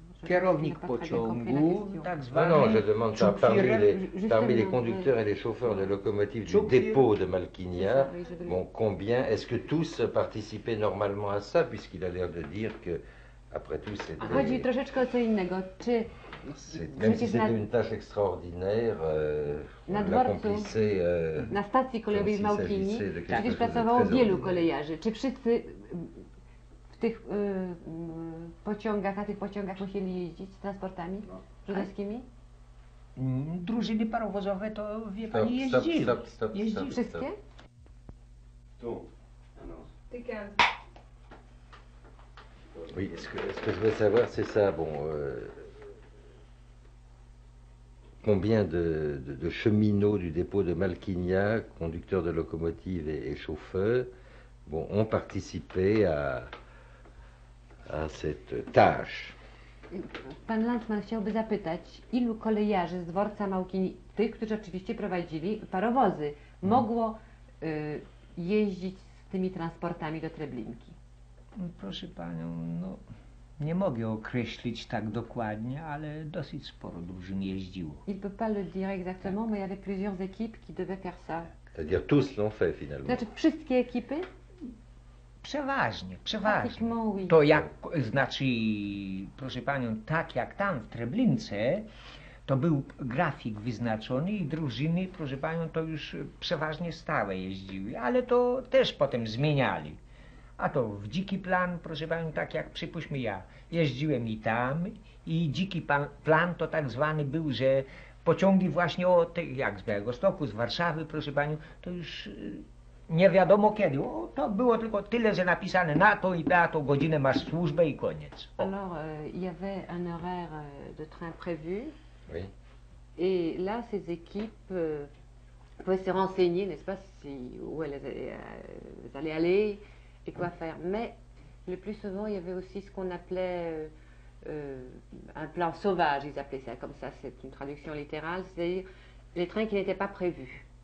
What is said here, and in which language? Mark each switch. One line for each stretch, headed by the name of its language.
Polish: Kierownik pociągu, tak zwany.
French: Non, je demande ça parmi les conducteurs et les chauffeurs de locomotives du dépôt de Malkinia. Bon, combien est-ce que tous participaient normalement à ça, puisqu'il a l'air de dire que, après tout, c'était.
Polish: A chodzi troszeczkę o co innego. Czy
French: même si c'était une tâche extraordinaire,
Polish: na dworcu, na stacji kolejowej w Małkinii, przecież pracowało wielu kolejarzy. Czy wszyscy tych pociągach, na tych pociągach musieli jeździć transportami żydowskimi? Drużyny parowozowe to wie pani jeździły. Jeździły wszystkie? Tu. Ty kędz.
French: Oui, ce que je veux savoir, c'est ça. Bon, combien de cheminots du dépôt de Malkinia, conducteurs de locomotives et chauffeurs, bon, ont participé à cette tâche.
Polish: Pan Landsman chciałby zapytać, ilu kolejarzy z dworca Małkini, tych, którzy oczywiście prowadzili parowozy, mogło jeździć z tymi transportami do Treblinki? Proszę panią, no nie mogę określić tak dokładnie, ale dosyć sporo drużyn jeździło.
French: Il peut pas le dire exactement, mais il y avait plusieurs équipes qui devaient faire ça. C'est-à-dire tous l'ont fait finalement.
Polish: Znaczy wszystkie ekipy? Przeważnie.
French: Oui.
Polish: To jak, znaczy, proszę panią, tak jak tam w Treblince, to był grafik wyznaczony i drużyny, proszę panią, to już przeważnie stałe jeździły, ale to też potem zmieniali. A to w dziki plan, proszę panią, tak jak przypuśćmy ja, jeździłem i tam i dziki plan to tak zwany był, że pociągi właśnie o te, jak z Białegostoku, z Warszawy, proszę panią, to już nie wiadomo kiedy. O, to było tylko tyle, że napisane na to i na to godzinę masz służbę i koniec. O.
French: Alors, il y avait un horaire de train prévu. Oui. Et là, ces équipes pouvaient se renseigner, n'est-ce pas, si, où elles allaient aller et quoi faire. Mais le plus souvent, il y avait aussi ce qu'on appelait un plan sauvage, ils appelaient ça comme ça, c'est une traduction littérale, c'est-à-dire les trains qui n'étaient pas prévus.